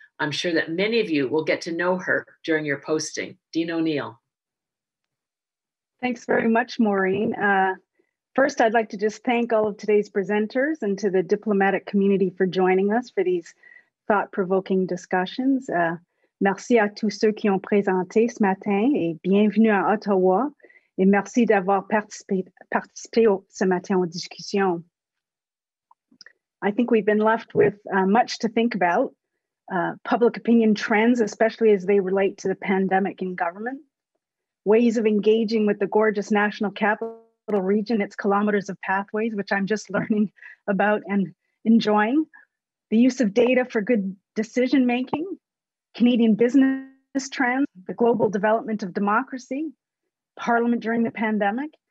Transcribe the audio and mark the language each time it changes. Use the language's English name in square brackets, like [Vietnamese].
[English] I'm sure that many of you will get to know her during your posting. Dean O'Neill. Thanks very much, Maureen. First, I'd like to just thank all of today's presenters and to the diplomatic community for joining us for these thought-provoking discussions. [French] Merci à tous ceux qui ont présenté ce matin et bienvenue à Ottawa et merci d'avoir participé ce matin aux discussions. [English] I think we've been left with much to think about, public opinion trends, especially as they relate to the pandemic in government, ways of engaging with the gorgeous national capital region, its kilometers of pathways, which I'm just learning about and enjoying, the use of data for good decision-making, Canadian business trends, the global development of democracy, Parliament during the pandemic.